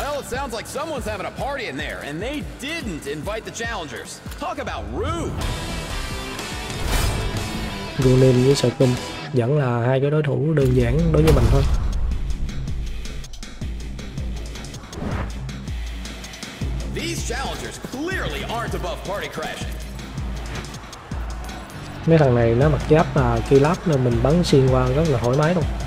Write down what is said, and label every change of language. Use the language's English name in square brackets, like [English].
[English] Sounds like someone's having a party in there, and they didn't invite the challengers. Talk about rude. [Vietnamese] Gunin với Sarkum vẫn là hai cái đối thủ đơn giản đối với mình thôi. [English] These challengers clearly aren't above party crashing. [Vietnamese] Mấy thằng này nó mặc giáp là kỳ lắm nên mình bắn xuyên qua rất là thoải mái luôn.